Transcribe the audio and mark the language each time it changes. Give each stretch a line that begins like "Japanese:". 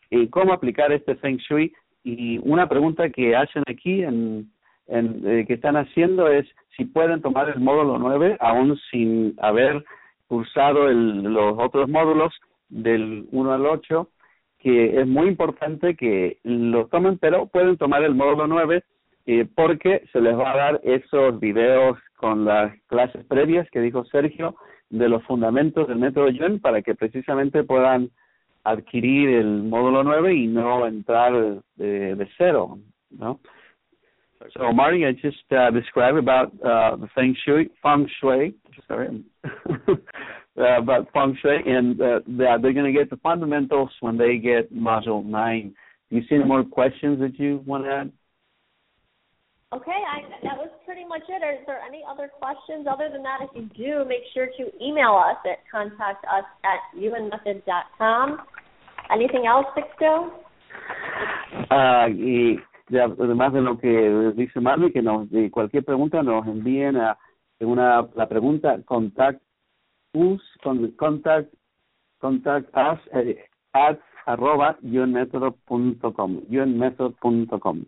Spanish: ¿Cómo aplicar este Feng Shui? Y una pregunta que hacen aquí, que están haciendo, es si pueden tomar el módulo 9 aún sin haber cursado los otros módulos del 1 al 8, que es muy importante que lo tomen, pero pueden tomar el módulo 9 porque se les va a dar esos videos con las clases previas que dijo Sergio de los fundamentos del método Yuen para que precisamente puedan adquirir el módulo 9 y no entrar de cero, ¿no?
English: So, Marty, I just described about the Feng Shui, about Feng Shui, and they're going to get the fundamentals when they get Module 9. Do you see any more questions that you want to add? Okay, that was pretty much it. Is there any other questions? Other than that, if you do, make sure to email us at contactus@unmethod.com. Anything else, Sixto?
Spanish: Además de lo que dice Marley, que nos, de cualquier pregunta nos envíen a una, la pregunta contactus@unmethod.com. unmethod.com.